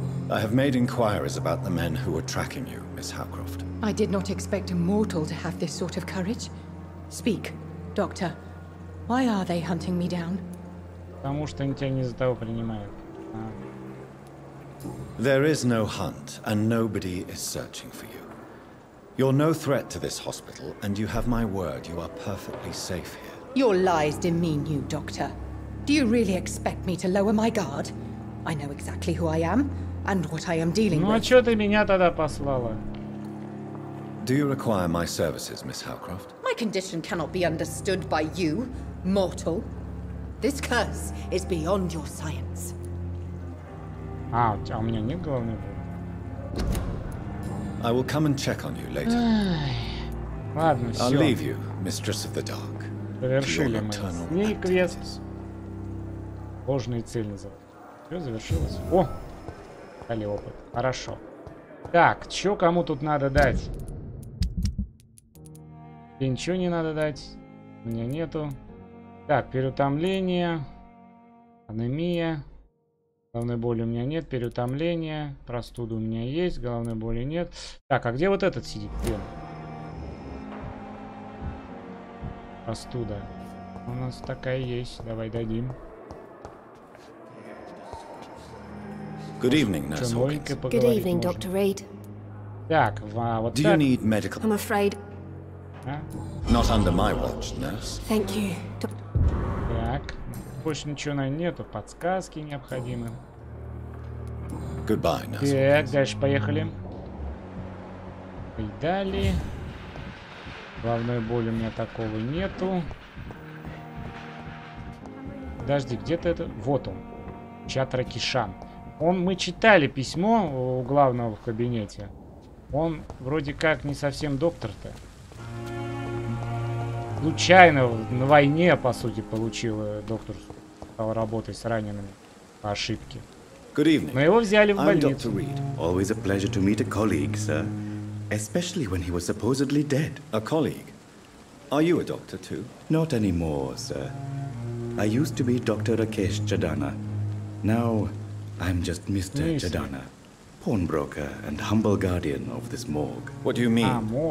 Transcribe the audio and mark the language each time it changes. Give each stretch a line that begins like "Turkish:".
English: I have made inquiries about the men who were tracking you, Miss Howcroft. I did not expect a mortal to have this sort of courage. Speak, doctor. Why are they hunting me down?
Russian: Потому что они тебя не за того принимают.
English: There is no hunt, and nobody is searching for you. You're no threat to this hospital, and you have my word, you are perfectly safe here. Your lies demean you, Doctor. Do you really expect me to lower my guard? I know exactly who I am, and what I am dealing with.
Russian: Ну а чё ты меня тогда послала?
English: Do you require my services, Miss Howcroft? My condition cannot be understood by you, mortal. This curse is beyond your science.
Russian: А, у меня нет головной боли.
English: I will come and check on you later.
Russian: Ладно, всё.
English: I'll leave you, mistress of the dark.
Russian: Завершили мы ней квест. Ложные цели называют. Всё завершилось. О! Дали опыт. Хорошо. Так, чё кому тут надо дать? И ничего не надо дать. У меня нету. Так, переутомление. Анемия. Головной боли у меня нет, переутомление, простуда у меня есть, головной боли нет. Так, а где вот этот сидит? Где? Простуда. У нас такая есть, давай дадим.
English: Good evening, Nurse Hawkins. Good evening, Dr. Reid.
Russian: Так, а вот так.
English: Do you need medical? I'm afraid.
Russian: А?
English: Not under my watch, nurse. Thank you.
Russian: Так, больше ничего на нету, подсказки необходимы.
English: Goodbye, nurse.
Russian: Так, дальше поехали. И далее. Главной боли у меня такого нету. Подожди, где-то это. Вот он. Чатра Кишан. Он, мы читали письмо у главного в кабинете. Он вроде как не совсем доктор-то. Случайно на войне, по сути, получил доктор, стал работать с ранеными по ошибке.
English: Good evening.
Russian: Мы его взяли в больницу.
English: I'm Dr. Reid. Always a pleasure to meet a colleague, sir. Especially when he was supposedly dead. A colleague? Are you a doctor too? Not anymore, sir. I used to be Dr. Rakesh Chadana. Now I'm just Mr. Chadana. Pawnbroker and humble guardian of this morgue. What do you mean?